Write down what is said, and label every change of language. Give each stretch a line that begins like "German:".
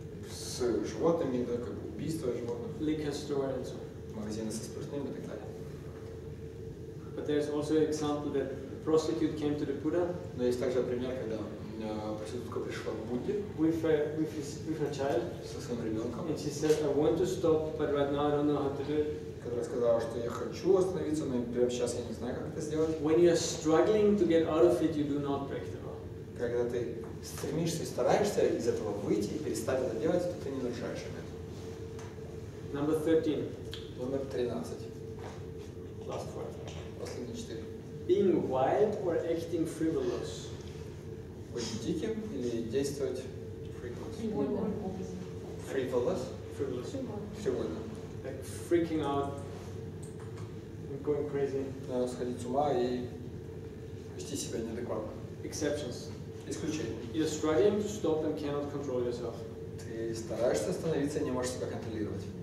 Russian: С животными, да, как убийство животных.
English: Liquor store and so.
Russian: Магазины со спиртными и так далее.
English: But there's also an example that a prostitute came to the Buddha.
Russian: Но есть также пример, когда проститутка пришла к Будде.
English: With her child.
Russian: Со своим ребенком.
English: And she said, I want to stop, but right now I don't know how to do it.
Russian: Которая сказала, что я хочу остановиться, но прямо сейчас я не знаю, как это сделать.
English: When you are struggling to get out of it, you do not break the law.
Russian: Когда ты стремишься и стараешься из этого выйти и перестать это делать, то ты не нарушаешь это.
English: Number 13.
Russian: Номер 13.
English: Last four.
Russian: Четыре.
English: Being wild or acting frivolous.
Russian: Быть диким или действовать frivolous.
English: Frivolous.
Russian: Фривольно.
English: Like freaking out and going crazy.
Russian: Надо сходить с ума и вести себя неадекватно.
English: Exceptions.
Russian: Исключения.
English: You're struggling to stop and cannot control yourself.
Russian: Ты стараешься остановиться и не можешь себя контролировать.